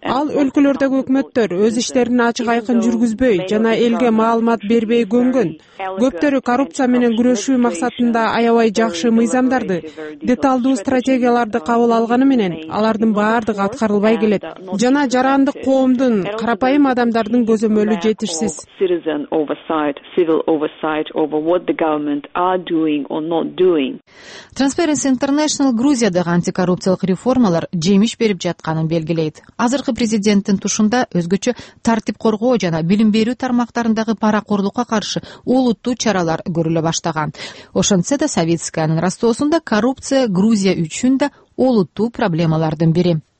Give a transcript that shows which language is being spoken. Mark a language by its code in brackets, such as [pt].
[ky] Ал өлкөлөрдөгү өкмөттөр өз иштерин ачык айкын жүргүзбөй жана элге маалымат бербей көнгөн. Көптөрү коррупция менен күрөшүү максатында аябай жакшы мыйзамдарды, деталдуу стратегияларды кабыл алганы менен алардын баардыгы аткарылбай келет. Жана жарандык коомдун, карапайым адамдардын көзөмөлү жетишсиз. [en] Citizen oversight, civil oversight over what the government are doing or not doing. [ky] Transparency International Грузиядагы антикоррупциялык реформалар жемиш берип жатканын белгилейт. Азыркы президенттин тушунда өзгөчө тартип коргоо жана билим берүү тармактарындагы паракорлукка каршы олуттуу чаралар көрүлө баштаган. Ошентсе да Савицкаянын ростоосунда коррупция Грузия үчүн да олуттуу проблемалардын бири.